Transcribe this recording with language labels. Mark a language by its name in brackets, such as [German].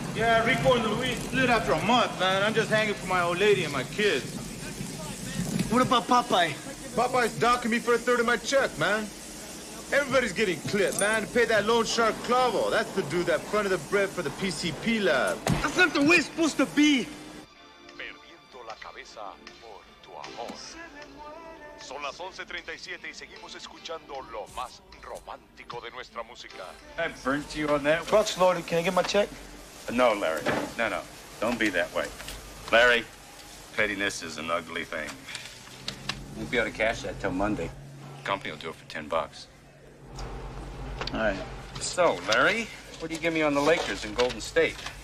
[English] Yeah, Rico and Luis split after a month, man. I'm just hanging for my old lady and my kids. What about Popeye? Popeye's docking me for a third of my check, man. Everybody's getting clipped, man. Pay that loan shark Clavo. That's the dude that fronted the bread for the PCP lab. That's not the way it's supposed to be. [Spanish] Perdiendo la cabeza por tu amor. Son las 11:37 y seguimos escuchando lo más romántico de nuestra música. [English] I burnt you on that. Bucks loaded. Can I get my check? No, Larry. No. Don't be that way. Larry, pettiness is an ugly thing. won't be able to cash that till Monday. Company will do it for $10. All right. So, Larry, what do you give me on the Lakers in Golden State?